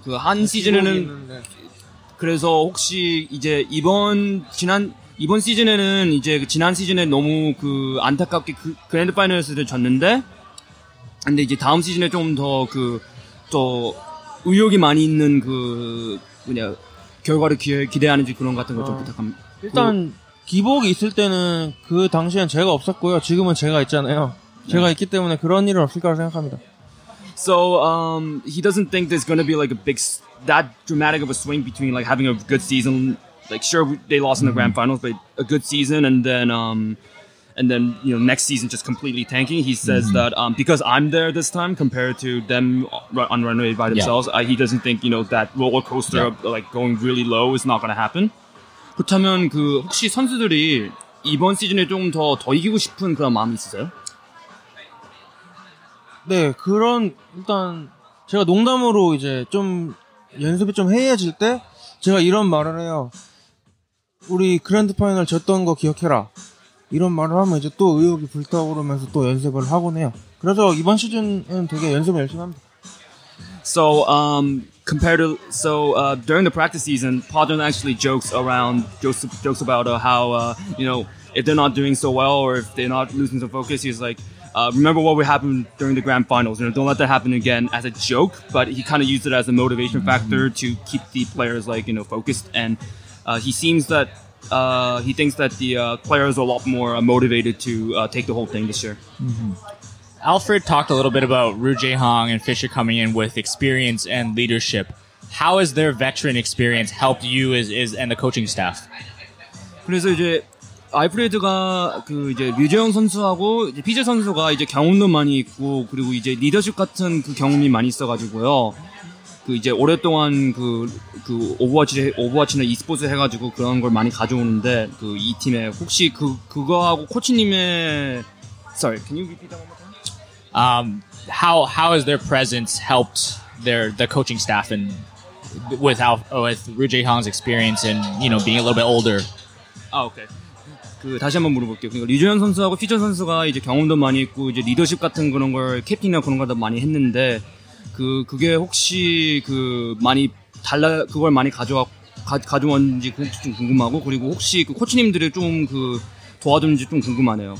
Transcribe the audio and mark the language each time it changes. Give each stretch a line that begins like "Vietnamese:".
Korean: 그 한 시즌에는 그래서 혹시 이제 이번 시즌에는 이제 지난 시즌에 너무 그 안타깝게 그 그랜드 파이널에서 졌는데 근데 이제 다음 시즌에 좀 더 그 또 의욕이 많이 있는 그 뭐냐 결과를 기대하는지 그런 것 같은 걸 좀 부탁합니다. 일단 기복이 있을 때는 그 당시엔 제가 없었고요. 지금은 제가 있잖아요. 제가 있기 때문에 그런 일은 없을 거라고 생각합니다.
English: So he doesn't think there's going to be like a big that dramatic of a swing between like having a good season, like sure they lost in the grand finals, but a good season and then you know next season just completely tanking. He says that because I'm there this time compared to them on runway by themselves, he doesn't think you know that roller coaster like going really low is not going to happen.
Korean: 그렇다면 그 혹시 선수들이 이번 시즌에 좀 더 이기고 싶은 그런 마음이 있으세요? 네, 그런 일단 제가 농담으로 이제 좀 연습이 좀 해이해질 때 제가 이런 말을 해요. 우리 그랜드 파이널 졌던 거 기억해라. 이런 말을 하면 이제 또 의욕이 불타오르면서 또 연습을 하곤 해요. 그래서 이번 시즌은 되게 연습을 열심히 합니다.
English: So during the practice season, Podron actually jokes about how you know if they're not doing so well or if they're not losing some focus, he's like. Remember what happened during the grand finals. You know, don't let that happen again as a joke. But he kind of used it as a motivation factor to keep the players like you know focused. And he seems that he thinks that the players are a lot more motivated to take the whole thing this year. Mm-hmm. Alfred talked a little bit about Ru Jaehong and Fisher coming in with experience and leadership. How has their veteran experience helped you as and the coaching staff?
Korean: 그래서 이제 알프레드가 그 이제 류재영 선수하고 이제 피제 선수가 이제 경험도 많이 있고 그리고 이제 리더십 같은 그 경험이 많이 있어가지고요. 그 이제 오랫동안 그 오버워치나 e스포츠 해가지고 그런 걸 많이 가져오는데 그 이 팀에 혹시 그거하고 코치님의
English: sorry, can you repeat that one more time? How has their presence helped the coaching staff and with Ru Jaehong's experience and you know being a little bit older? Oh, okay.
Korean: 그 다시 한번 물어볼게요. 그러니까 류재현 선수하고 피저 선수가 이제 경험도 많이 있고 이제 리더십 같은 그런 걸 캡틴이나 그런 걸 다 많이 했는데 그게 혹시 그 많이 달라 그걸 많이 가져왔는지 그것도 좀 궁금하고 그리고 혹시 그 코치님들이 좀 그 도와줬는지 좀 궁금하네요.